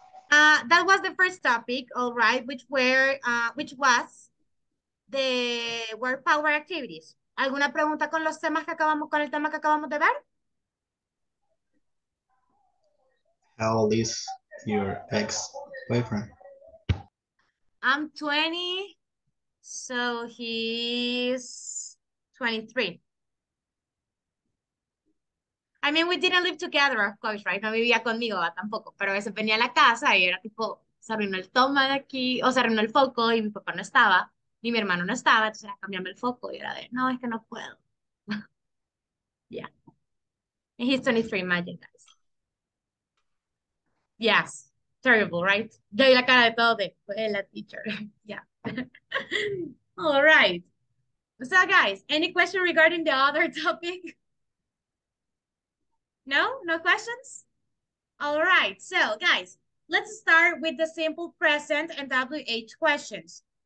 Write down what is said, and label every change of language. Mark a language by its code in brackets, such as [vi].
[en] That was the first topic, all right, which was the work power activities. [es] ¿Alguna pregunta con los temas que acabamos, con el tema que acabamos de ver? [en] How old is your ex-boyfriend? I'm 20, so he's 23. I mean, we didn't live together, of course, right? [es] No vivía conmigo, tampoco. Pero a veces venía a la casa y era tipo, se arruinó el toma de aquí, o se arruinó el foco y mi papá no estaba, ni mi hermano no estaba, entonces era cambiarme el foco y era de, no, es que no puedo. [en] Yeah. And he's 23, imagine, guys. Yes. Terrible, right? [es] Yo y la cara de todo de la teacher. [en] Yeah. All right. So, guys, any question regarding the other topic? No? No questions? All right. So, guys, let's start with the simple present and WH questions.